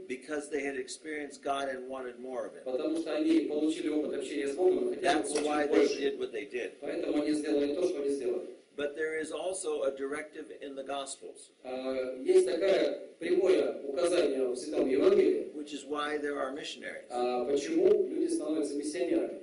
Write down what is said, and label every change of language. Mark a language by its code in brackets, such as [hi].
[en] because they had experienced God and wanted more of it. [ru] Потому что они получили опыт общения с Богом, [en] that's why they did what they did. [ru] Поэтому они сделали то, что они сделали. [en] But there is also a directive in the Gospels. [ru] Есть такая прямое указание в Святом Евангелии. [en] Which is why there are missionaries. [ru] Почему люди становятся миссионерами?